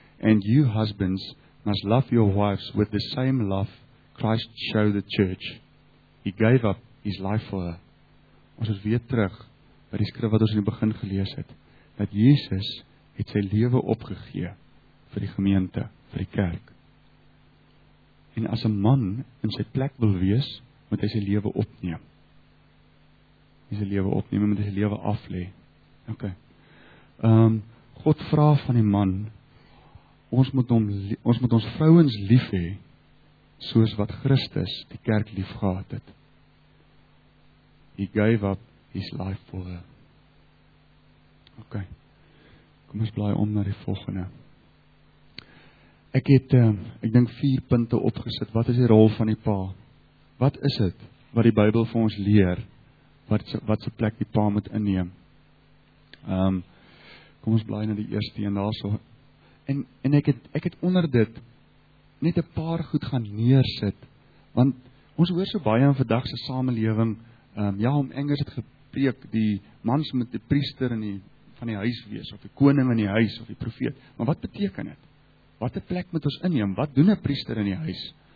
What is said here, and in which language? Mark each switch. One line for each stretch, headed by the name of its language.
English: And you husbands must love your wives with the same love Christ showed the church. He gave up his life for her.
Afrikaans: Ons is weer terug by die skrif wat ons in die begin gelees het, dat Jesus het sy lewe opgegee vir die gemeente, vir die kerk. En as 'n man in sy plek wil wees, moet hy sy lewe opneem. Hy sy lewe opneem, moet hy sy lewe aflê. OK. God vra van die man, Ons moet ons vrouens lief hê soos wat Christus die kerk lief gehad het.
English: He gave up his life for her. OK.
Afrikaans: Kom ons blaai om na die volgende. Ek dink 4 punte opgesit. Wat is die rol van die pa? Wat is dit wat die Bybel vir ons leer? Wat se plek die pa moet inneem? Kom ons blaai na die eerste een daarso. En ek het onder dit net 'n paar goed gaan neersit, want ons hoor so baie in vandag se samelewing, om Engels het gepreek, die mans moet die priester in die van die huis wees, of die koning in die huis, of die profeet. Maar wat beteken dit? Watter plek moet ons inneem? Wat doen 'n priester in die huis?